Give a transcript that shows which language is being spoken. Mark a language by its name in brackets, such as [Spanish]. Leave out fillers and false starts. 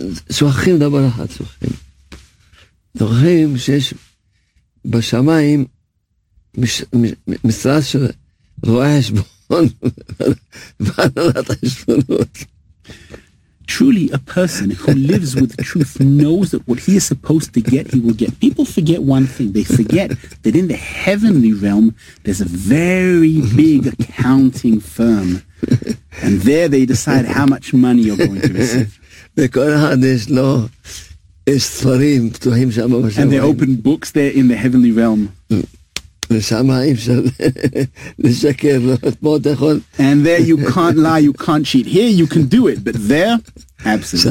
[Hebrew] שוכחים דבר אחד, שוכחים שיש בשמיים משרד של רואה השבון והנהלת השבונות. [English] Truly, a person who lives with truth knows that what he is supposed to get, he will get. People forget one thing. They forget that in the heavenly realm, there's a very big accounting firm. And there they decide how much money you're going to receive. [Hebrew] וכל אחד יש לו, יש ספרים פתוחים שם בשמיים. [English] And they open books there in the heavenly realm. [Hebrew] ושם אי אפשר לשקר, פה אתה יכול. [English] And there you can't lie, you can't cheat. Here you can do it, but there, absolutely.